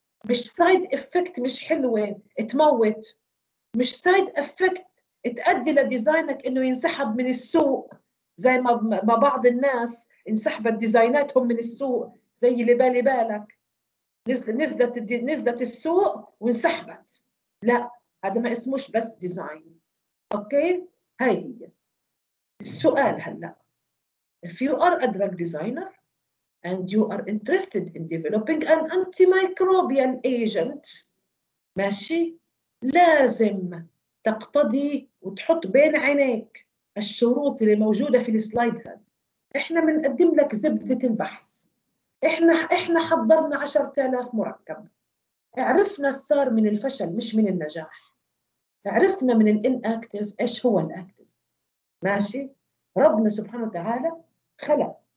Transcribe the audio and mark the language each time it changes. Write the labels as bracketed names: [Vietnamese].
[Arabic] مش سايد افكت مش حلوة تموت. مش سايد افكت تأدي لديزاينك انه ينسحب من السوق زي ما بعض الناس انسحبت ديزايناتهم من السوق زي اللي بالي بالك. نزلت السوق وانسحبت. لا، هذا ما اسموش بس ديزاين. اوكي؟ هاي هي السؤال هلأ. [English] If you are a drug designer and you are interested in developing an antimicrobial agent، [Arabic] ماشي؟ لازم تقتدي وتحط بين عينيك الشروط اللي موجودة في السلايد هاد. احنا منقدم لك زبدة البحث. إحنا حضرنا 10,000 مركب. عرفنا السار من الفشل مش من النجاح. عرفنا من الإنأكتف إيش هو الأكتف. ماشي؟ ربنا سبحانه وتعالى خلق